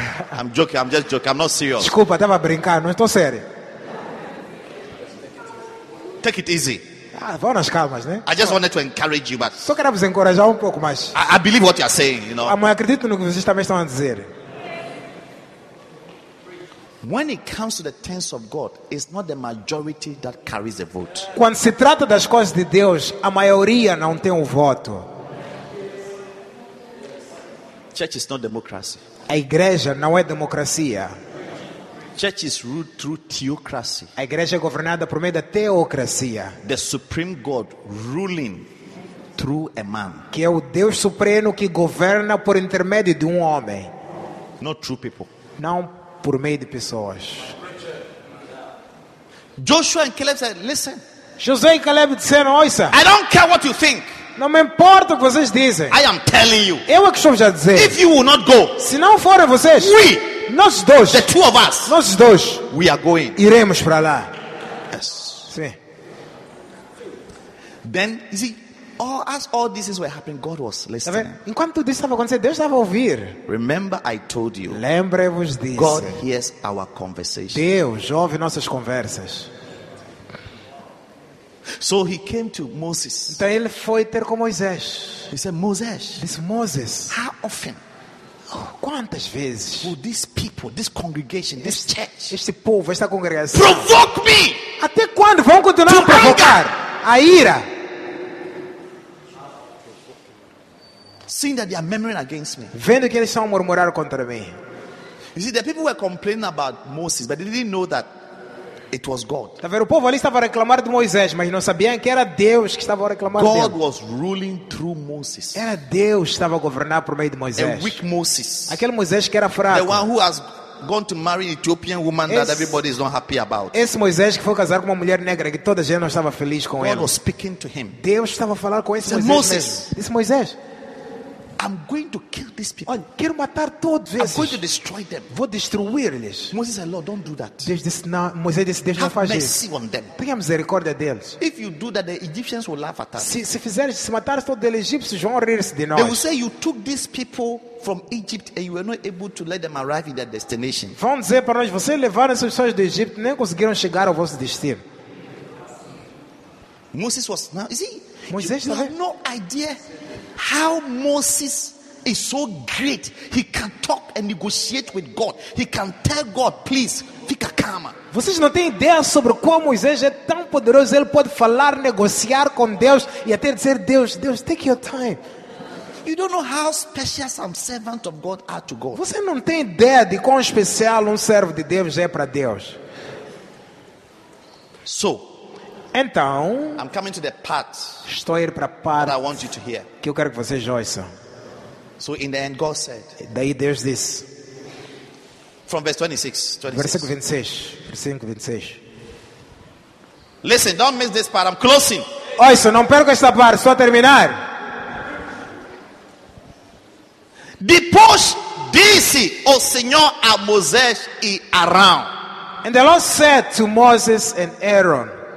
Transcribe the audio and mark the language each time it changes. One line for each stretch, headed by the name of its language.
English: I'm joking, I'm just joking, I'm not serious.
Portuguese: Desculpa, estava brincando, não estou sério.
English: Take it easy.
Portuguese: Ah, vão nas calmas, né?
English: I just wanted to encourage you, but...
Portuguese: Só quero vos encorajar pouco mais.
English: I believe what you are saying, you know.
Portuguese: Mas acredito no que vocês também estão a dizer.
English: When it comes to the things of God, it's not the majority that carries the vote.
Portuguese: Quando se trata das coisas de Deus, a maioria não tem o voto.
English: Church is not democracy.
Portuguese: A igreja não é democracia.
English: Church is ruled through theocracy.
Portuguese: A igreja é governada por meio da teocracia.
English: The supreme God ruling through a man.
Portuguese: Que é o Deus supremo que governa por intermédio de homem.
English: Not true people.
Portuguese: Não por meio de pessoas.
English: Joshua and Caleb said, listen.
Portuguese: Josué e Caleb disseram, ouça.
English: I don't care what you think.
Portuguese: Não me importa o que vocês dizem.
English: I am telling you.
Portuguese: Eu é que estou a dizer.
English: If you will not go.
Portuguese: Se não forem vocês.
English: We.
Portuguese: Nós dois.
English: The two of us.
Portuguese: Nós dois.
English: We are going.
Portuguese: Iremos para lá.
English: Yes.
Portuguese: Sim.
English: Then, you see, as all these were happening, God was listening.
Portuguese: Enquanto tudo isso estava acontecendo, Deus estava a ouvir.
English: Remember, I told you.
Portuguese: Lembre-vos disso.
English: God hears our conversation.
Portuguese: Deus ouve nossas conversas.
English: So he came to Moses.
Portuguese: Então ele foi ter com Moisés.
English: He said, Moses.
Portuguese: Disse Moses.
English: How often?
Portuguese: Quantas vezes?
English: Will these people, this congregation, this church,
Portuguese: este povo, esta congregação,
English: provoke me?
Portuguese: Até quando vão continuar a provocar?
English: Anger.
Portuguese: a ira.
English: Seeing that they are murmuring against me.
Portuguese: Vendo que eles estão murmurar contra mim.
English: You see, the people were complaining about Moses, but they didn't know that it was God.
Portuguese: O povo ali estava a reclamar de Moisés, mas não sabiam que era Deus que estava a reclamar dele.
English: God was ruling through Moses.
Portuguese: Era Deus que estava a governar por meio de Moisés.
English: A weak Moses.
Portuguese: Aquele Moisés que era fraco.
English: The one who has gone to marry an Ethiopian woman that everybody is not happy about.
Portuguese: Esse Moisés que foi casar com uma mulher negra que toda a gente não estava feliz com ele.
English: God was speaking to him.
Portuguese: Deus estava a falar com esse Moisés. Esse Moisés.
English: I'm going to kill these people.
Portuguese: Olha, quero matar todos esses.
English: I'm going to destroy them.
Portuguese: Vou destruí-los.
English: Moses said, Lord, don't do that.
Portuguese: Moisés disse, Deus não faz isso. Tenha misericórdia deles.
English: If you do that, the Egyptians will laugh at us.
Portuguese: Se fizeres, se matares todos os egípcios, vão rir-se de nós.
English: They will say you took these people from Egypt and you were not able to let them arrive in their destination.
Portuguese: Vão dizer para nós, vocês levaram esses pessoas do Egito, nem conseguiram chegar ao vosso destino.
English: Moses was now. You have no idea how Moses is so great. He can talk and negotiate with God. He can tell God, please,
Portuguese: fica calma. Vocês não têm ideia sobre como Moisés é tão poderoso. Ele pode falar, negociar com Deus e até dizer, Deus,
English: take your time. You don't know how special some servant of God are to God.
Portuguese: Você não tem ideia de quão especial servo de Deus é para Deus.
English: So,
Portuguese: então,
English: I'm coming to the part,
Portuguese: estou a ir para a parte
English: that I want you to hear.
Portuguese: Que eu quero que vocês ouçam.
English: So in the end, God said,
Portuguese: daí Deus diz,
English: from verse 26,
Portuguese: versículo 26.
English: Listen, don't miss this part. I'm closing.
Portuguese: Ouça, não perca esta parte, estou a terminar. Depois disse o Senhor a Moisés e Arão.
English: And the Lord said to Moses and Aaron.